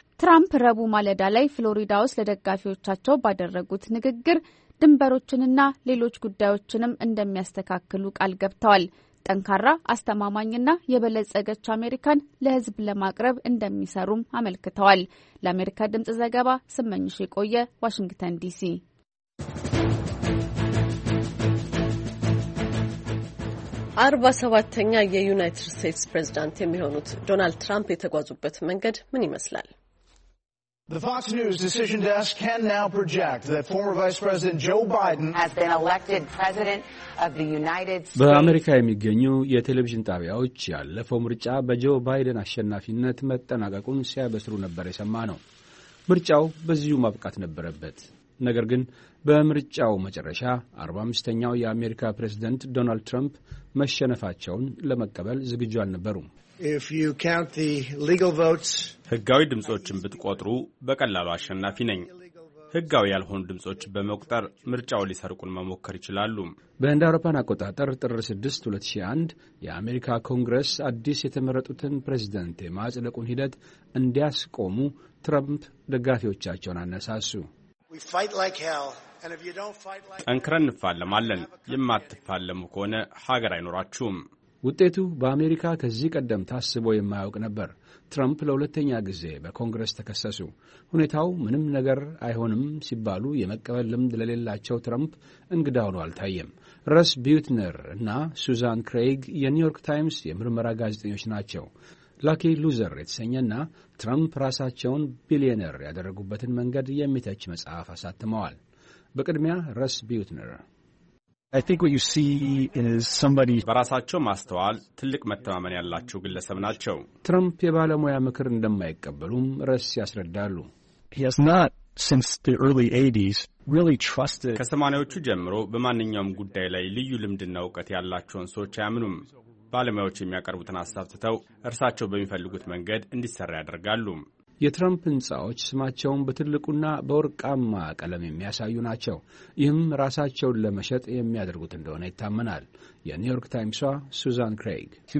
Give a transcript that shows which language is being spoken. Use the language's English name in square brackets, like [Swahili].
[Amharic] ትራምፕ ረቡዕ ማለዳ ላይ ፍሎሪዳ ውስጥ ለደጋፊዎቻቸው ባደረጉት ንግግር ድንበሮችንና ሌሎች ጉዳዮችንም እንደሚያስተካክሉ ቃል ገብተዋል። ጠንካራ አስተማማኝና የበለጸገች አሜሪካን ለህዝብ ለማቅረብ እንደሚሰሩም አመልክተዋል። ለአሜሪካ ድምጽ ዘገባ ስመኝሽ የቆየ ዋሽንግተን ዲሲ። አርባሰባተኛ የዩናይትድ ስቴትስ ፕሬዝዳንት የሚሆኑት ዶናልድ ትራምፕ የተጓዙበት መንገድ ምን ይመስላል? [English] The Fox News decision desk can now project that former Vice President Joe Biden has been elected President of the United States. [Amharic] በአሜሪካ የሚገኙ የቴሌቪዥን ጣቢያዎች ያለፈው ምርጫ በጆ ባይደን አሸናፊነት መጠናቀቁን ሲያበስሩ ነበር የሰማነው። ምርጫው በዚሁ ማብቃት ነበረበት። ነገር ግን በምርጫው መጨረሻ 45ኛው የአሜሪካ ፕሬዝዳንት ዶናልድ ትራምፕ መሸነፋቸውን ለመቀበል ዝግጁ አልነበሩ። [English] If you count the legal votes, [Amharic] ህጋዊ ድምጾችን ብትቆጥሩ በቀላሉ አሸናፊ ነኝ። ህጋዊ ያልሆኑ ድምጾች በመቁጠር ምርጫው ሊሰርቁን መሞከር ይችላሉ። በእንደ አውሮፓን አቆጣጠር ጥር 6 2001 የአሜሪካ ኮንግረስ አዲስ የተመረጡትን ፕሬዝዳንት የማጽደቁን ሂደት እንዲያስቆሙ ትራምፕ ደጋፊዎቻቸውን አነሳሱ። [English] We fight like hell, and if you don't fight like [Amharic] ጠንክረን ፋለማለን የማትፋለሙ ከሆነ ሀገር አይኖራችሁም። ውጤቱ በአሜሪካ ከዚህ ቀደም ታስቦ የማያውቅ ነበር። ትራምፕ ለሁለተኛ ጊዜ በኮንግረስ ተከሰሱ። ሁኔታው ምንም ነገር አይሆንም ሲባሉ የመቀበል ልምድ ለሌላቸው ትራምፕ እንግዳው ነው አልታየም። ራስ ቢዩትነር እና ሱዛን ክሬግ የኒውዮርክ ታይምስ የምርመራ ጋዜጠኞች ናቸው። ላኪ ሉዘር የተሰኘና ትራምፕ ራሳቸውን ቢሊዮነር ያደረጉበትን መንገድ የሚተች መጽሐፍ አሳትመዋል። በቅድሚያ ራስ ቢዩትነር [English] I think what you see is somebody [Amharic] በራሳቸው ማስተዋል ትልቅ መተማመን ያላቸው ግለሰብ ናቸው። ትራምፕ የባለሙያ ምክር እንደማይቀበሉም ራስ ያስረዳሉ። [English] He has not since the early 80s really trusted [Amharic] ከ80ዎቹ ጀምሮ በማንኛውም ጉዳይ ላይ ልዩ ልምድና እውቀት ያላቸውን ሰዎች አያምኑም። ባለሙያዎች የሚያቀርቡትን ሐሳብ ተተው እርሳቸው በሚፈልጉት መንገድ እንዲሰራ ያደርጋሉ። የትራምፕ ንጻዎች ስማቸውን በትልቁና በወርቃማ ቀለም የሚያሳዩ ናቸው። ይህም ራሳቸውን ለመሸጥ የሚያደርጉት እንደሆነ ይታመናል። የኒውዮርክ ታይምስዋ ሱዛን ክሬግ